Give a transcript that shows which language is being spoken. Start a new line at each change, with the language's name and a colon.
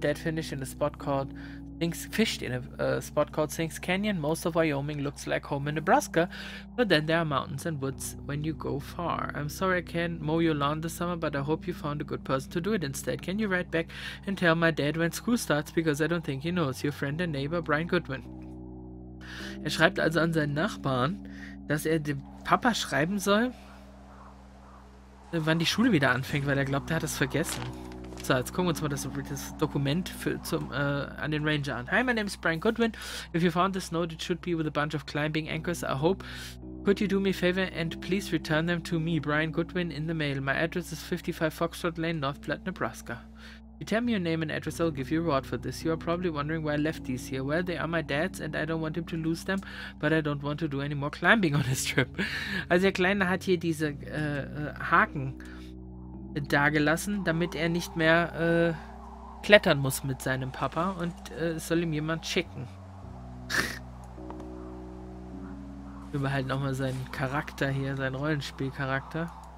English: Dad finished in a spot called fished in a spot called Sinks Canyon. Most of Wyoming looks like home in Nebraska, but then there are mountains and woods when you go far. I'm sorry I can't mow your lawn this summer, but I hope you found a good person to do it instead. Can you write back and tell my dad when school starts, because I don't think he knows. Your friend and neighbor, Brian Goodwin.
German: Er schreibt also an seinen Nachbarn, dass er dem Papa schreiben soll, wann die Schule wieder anfängt, weil er glaubt, er hat es vergessen. So, jetzt gucken wir uns mal das Dokument an den Ranger an.
English: Hi, my name is Brian Goodwin. If you found this note, it should be with a bunch of climbing anchors. I hope. Could you do me a favor and please return them to me, Brian Goodwin, in the mail. My address is 55 Foxtrot Lane, North Platte, Nebraska. If you tell me your name and address, I'll give you a reward for this. You are probably wondering why I left these here. Well, they are my dad's and I don't want him to lose them, but I don't want to do any more climbing on this trip.
German: Also der Kleine hat hier diese Haken dagelassen, damit er nicht mehr klettern muss mit seinem Papa, und soll ihm jemand schicken. Wir behalten auch mal seinen Charakter hier, seinen Rollenspielcharakter.